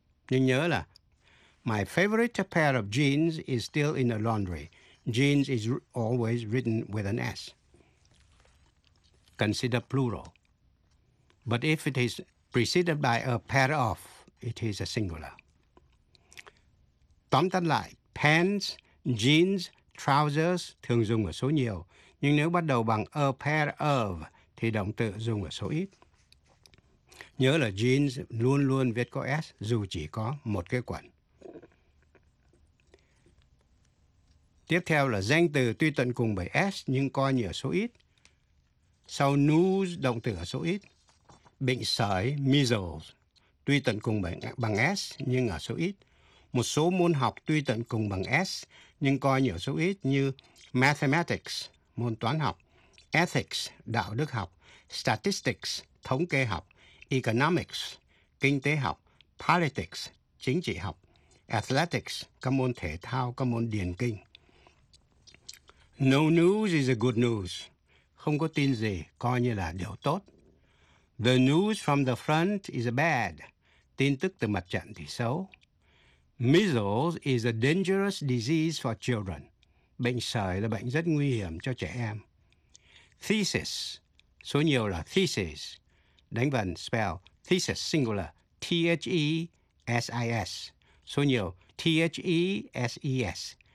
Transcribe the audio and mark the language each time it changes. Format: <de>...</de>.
<vi>Nhưng nhớ là</vi> <en>my favorite pair of jeans is still in the laundry. Jeans is always written with an S. Consider plural. But if it is preceded by a pair of, it is a singular.</en> <vi>Tóm tắt lại, pants, jeans, trousers thường dùng ở số nhiều. Nhưng nếu bắt đầu bằng a pair of, thì động từ dùng ở số ít. Nhớ là jeans luôn luôn viết có S, dù chỉ có một cái quần. Tiếp theo là danh từ tuy tận cùng bởi S, nhưng coi như ở số ít. Sau news, động từ ở số ít. Bệnh sởi, measles, tuy tận cùng bằng S, nhưng ở số ít. Một số môn học tuy tận cùng bằng S, nhưng coi như ở số ít như mathematics, môn toán học, ethics, đạo đức học, statistics, thống kê học, economics, kinh tế học, politics, chính trị học, athletics, các môn thể thao, các môn điền kinh.</vi> <en>No news is a good news.</en> <vi>Không có tin gì, coi như là điều tốt.</vi> <en>The news from the front is bad.</en> <vi>Tin tức từ mặt trận thì xấu.</vi> <en>Measles is a dangerous disease for children.</en> <vi>Bệnh sởi là bệnh rất nguy hiểm cho trẻ em. Thesis, số nhiều là thesis, đánh vần spell, thesis singular, T-H-E-S-I-S, số nhiều, T-H-E-S-E-S.</vi>